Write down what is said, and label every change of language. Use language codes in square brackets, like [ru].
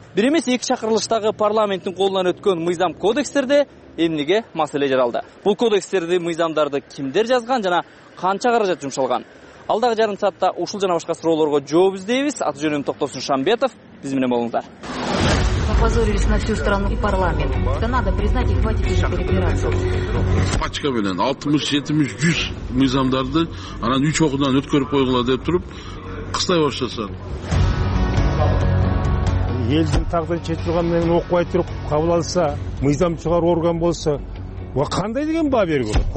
[ky] Бир эмес эки чакырылыштагы парламенттин колунан өткөн мыйзам кодекстерде эмнеге маселе жаралды? Бул кодекстерди, мыйзамдарды кимдер жазган жана канча каражат жумшалган? Алдагы жарым саатта ушул жана башка суроолорго жооп издейбиз. Аты жөнүм Токтосун Шамбетов, биз менен болуңуздар. [ru] Опозорились на всю страну и парламент. Да надо признать и хватит уже перебираться. [ky] Пачка менен 60-70-100 мыйзамдарды анан 3 окуудан өткөрүп койгула деп туруп кыстай баштаса. Элдин тагдыры чечилген менен окубай туруп кабыл алса, мыйзам чыгаруу орган болсо, кандай деген баа берүү керек?